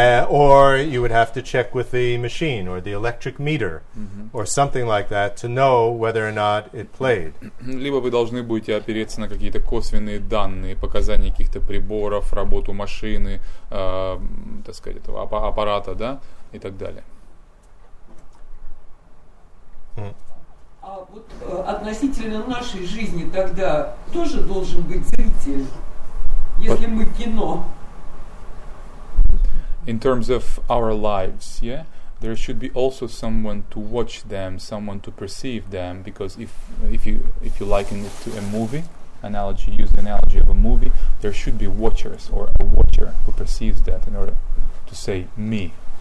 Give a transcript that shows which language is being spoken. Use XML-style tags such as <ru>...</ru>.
<en>Or you would have to check with the machine or the electric meter or something like that to know whether or not it played.</en> <ru>Либо вы должны будете опереться на какие-то косвенные данные, показания каких-то приборов, работу машины, так сказать, этого аппарата, да, и так далее. А вот относительно нашей жизни тогда тоже должен быть зритель, если мы кино.</ru> <en>In terms of our lives, yeah, there should be also someone to watch them, someone to perceive them, because if you liken it to a movie, analogy, use the analogy of a movie, there should be watchers or a watcher who perceives that in order to say me.</en>